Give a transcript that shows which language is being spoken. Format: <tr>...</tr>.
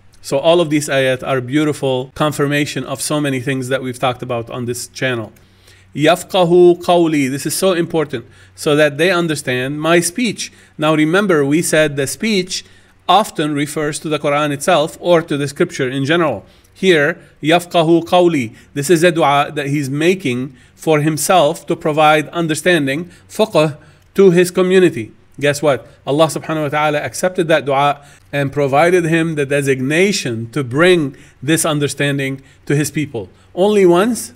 <en>So all of these ayat are beautiful confirmation of so many things that we've talked about on this channel.</en> <ar>يَفْقَهُ قَوْلِي.</ar> <en>This is so important. So that they understand my speech. Now remember, we said the speech often refers to the Quran itself or to the scripture in general. Here,</en> <ar>يَفْقَهُ قَوْلِي.</ar> <en>This is a dua that he's making for himself to provide understanding, فقه, to his community. Guess what? Allah subhanahu wa ta'ala accepted that dua and provided him the designation to bring this understanding to his people. Only once?</en>